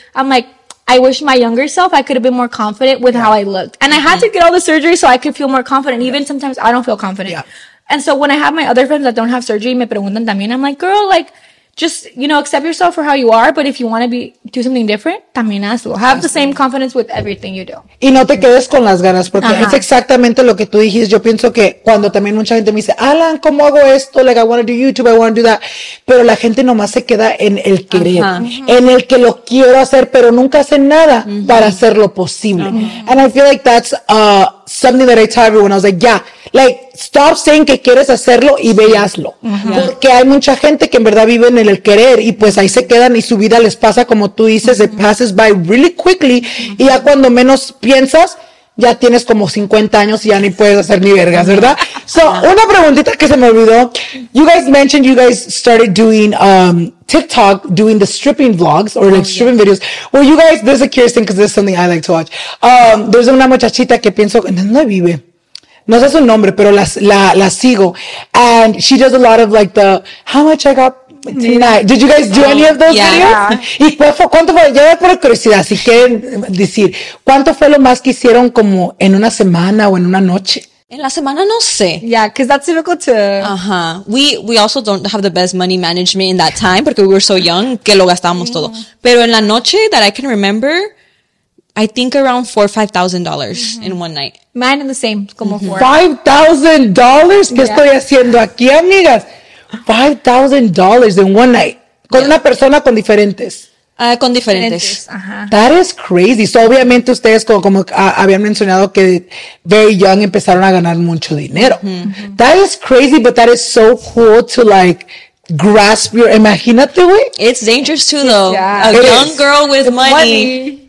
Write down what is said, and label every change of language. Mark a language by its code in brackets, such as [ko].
[en] I'm like, I wish my younger self, I could have been more confident with how I looked. And I had to get all the surgery so I could feel more confident. Even sometimes I don't feel confident. Yeah. And so when I have my other friends that don't have surgery, [es] me preguntan también. [en] I'm like, girl, like, just, you know, accept yourself for how you are. But if you want to do something different, [es] también hazlo. [en] Have the same confidence with everything you do. [es] Y no te quedes con las ganas, porque es exactamente lo que tú dijiste. Yo pienso que cuando también mucha gente me dice, Alan, ¿cómo hago esto? [en] Like, I want to do YouTube, I want to do that. [es] Pero la gente nomás se queda en el querer, en el que lo quiero hacer, pero nunca hace nada para hacerlo posible. [en] And I feel like that's something that I tell everyone. I was like, like, stop saying [es] que quieres hacerlo y ve y hazlo. Porque hay mucha gente que en verdad vive en el querer y pues ahí se quedan y su vida les pasa como tú dices, [en] it passes by really quickly [es] y ya cuando menos piensas, ya tienes como 50 años y ya ni puedes hacer ni vergas, ¿verdad? So, una preguntita que se me olvidó. [en] You guys mentioned you guys started doing TikTok, doing the stripping vlogs or like stripping videos. Well, you guys, this is a curious thing because this is something I like to watch. There's [es] una muchachita que pienso, ¿dónde vive? No sé su nombre, pero la sigo. [en] And she does a lot of like the, how much I got tonight. Did you guys do any of those videos? [es] Y pues, ¿cuánto fue? Yo por curiosidad, si quieren decir, ¿cuánto fue lo más que hicieron como en una semana o en una noche? En la semana, no sé. [en] Yeah, because that's difficult to... We also don't have the best money management in that time, porque we were so young, [es] que lo gastamos todo. Pero en la noche, [en] that I can remember, I think around $4,000 or $5,000 in one night. Mine in the same, como four. [es] $5,000? ¿Qué estoy haciendo aquí, amigas? $5,000 [en] in one night. [es] Con una persona con diferentes. Con diferentes. [en] That is crazy. [es] So, obviamente, ustedes como habían mencionado que [en] very young [es] empezaron a ganar mucho dinero. [en] That is crazy, but that is so cool to like grasp your, [es] imagínate, güey. [en] It's dangerous too, though. Yeah. A young girl with money.